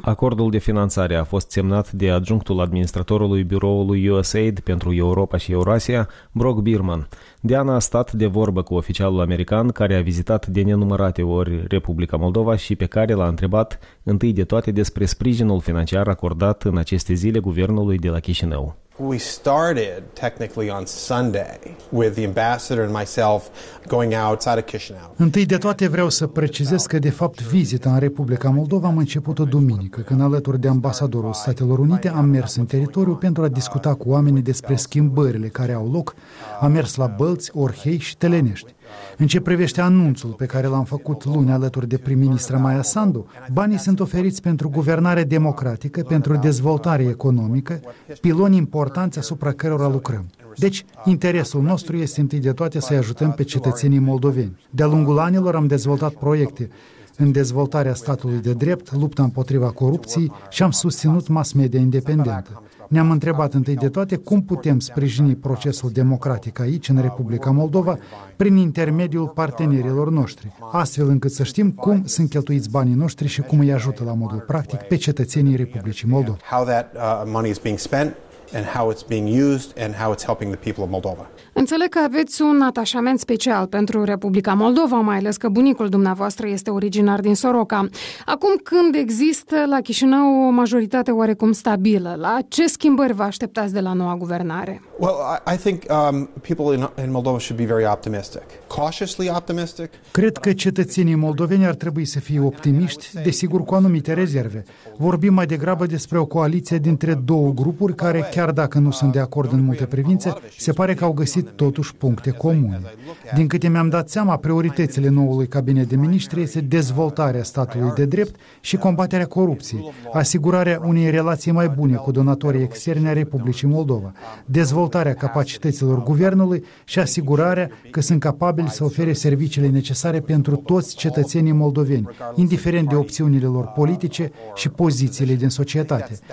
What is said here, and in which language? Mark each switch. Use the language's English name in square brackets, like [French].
[Romanian] Acordul de finanțare a fost semnat de adjunctul administratorului biroului USAID pentru Europa și Eurasia, Brock Bierman. Diana a stat de vorbă cu oficialul american care a vizitat de nenumărate ori Republica Moldova și pe care l-a întrebat întâi de toate despre sprijinul financiar acordat în aceste zile guvernului de la Chișinău. [English] We started technically on Sunday with the ambassador and myself going outside of Chișinău. [Romanian] Întâi de toate vreau să precizez că de fapt vizita în Republica Moldova am început-o duminică, când alături de ambasadorul Statelor Unite am mers în teritoriu pentru a discuta cu oamenii despre schimbările care au loc. Am mers la Bălți, Orhei și Telenești. În ce privește anunțul pe care l-am făcut luni alături de prim-ministra Maia Sandu, banii sunt oferiți pentru guvernare democratică, pentru dezvoltare economică, piloni importanți asupra cărora lucrăm. Deci, interesul nostru este întâi de toate să-i ajutăm pe cetățenii moldoveni. De-a lungul anilor am dezvoltat proiecte în dezvoltarea statului de drept, lupta împotriva corupției și am susținut mass media independentă. Ne-am întrebat întâi de toate cum putem sprijini procesul democratic aici, în Republica Moldova, prin intermediul partenerilor noștri, astfel încât să știm cum sunt cheltuiți banii noștri și cum îi ajută la modul practic pe cetățenii Republicii Moldova. [English] How that money is being spent and how it's being used and how it's helping the people of Moldova. [Romanian] Înțeleg că aveți un atașament special pentru Republica Moldova, mai ales că bunicul dumneavoastră este originar din Soroca. Acum când există la Chișinău o majoritate oarecum stabilă, la ce schimbări vă așteptați de la noua guvernare? [English] Well, I think people in Moldova should be very optimistic. Cautiously optimistic. [Romanian] Cred că cetățenii moldoveni ar trebui să fie optimiști, desigur cu anumite rezerve. Vorbim mai degrabă despre o coaliție dintre două grupuri care, chiar dacă nu sunt de acord în multe privințe, se pare că au găsit totuși puncte comune. Din câte mi-am dat seama, prioritățile noului cabinet de miniștri este dezvoltarea statului de drept și combaterea corupției, asigurarea unei relații mai bune cu donatorii externi ai Republicii Moldova, dezvoltarea capacităților guvernului și asigurarea că sunt capabili să ofere serviciile necesare pentru toți cetățenii moldoveni, indiferent de opțiunile lor politice și pozițiile din societate.